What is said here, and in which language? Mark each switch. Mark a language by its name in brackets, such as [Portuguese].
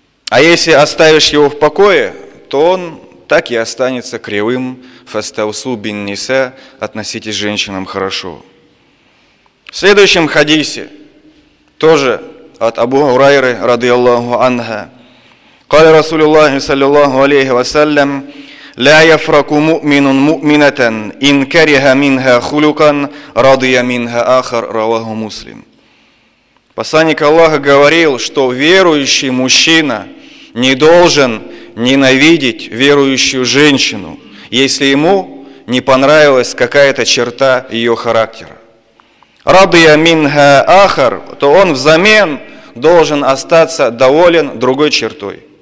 [Russian] А если оставишь его в покое, то он так и останется кривым. [Arabic] Фастаусу бин ниса, [Russian] относитесь к женщинам хорошо. В следующем хадисе, тоже от Абу Хурайры, радиаллаху анха, [Arabic] قال رسول الله صلى الله عليه وسلم لا يفرق مؤمن مؤمنة إن كره منها خلقا رضي منها آخر رواه مسلم. [Russian] Посланник Аллаха говорил, что верующий мужчина не должен ненавидеть верующую женщину, если ему не понравилась какая-то черта ее характера. [Arabic] رضي منها آخر, [Russian] то он взамен должен остаться доволен другой чертой.